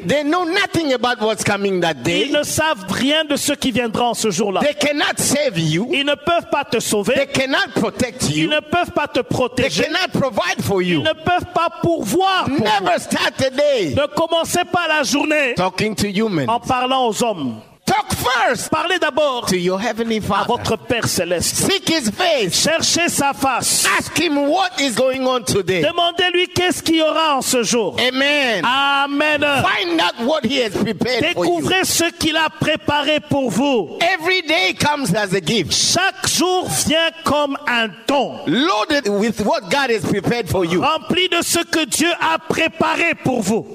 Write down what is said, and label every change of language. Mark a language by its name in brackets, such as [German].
[English] They know nothing about what's coming that day. [French] Ils ne savent rien de ce qui viendra en ce jour-là. [English] They cannot save you. [French] Ils ne peuvent pas te sauver. [English] They cannot protect you. [French] Ils ne peuvent pas te protéger. [English] They cannot provide for you. [French] Ils ne peuvent pas pourvoir pour [English] Never [French] vous. [English] Start a day. [French] Ne commencez pas la journée [English] talking to humans. [French] En parlant aux hommes. [English] Talk first. [French] Parlez d'abord [English] to your heavenly Father. [French] À votre Père céleste. [English] Seek his face. [French] Cherchez sa face. [English] Ask him what is going on today. [French] Demandez-lui qu'est-ce qu'il y aura en ce jour. [English] Amen. [French] Amen. [English] Find out what he has prepared [French] Découvrez [English] for you. [French] Découvrez ce qu'il a préparé pour vous. [English] Every day comes as a gift. [French] Chaque jour vient comme un don. [English] Loaded with what God has prepared for you. [French] Rempli de ce que Dieu a préparé pour vous.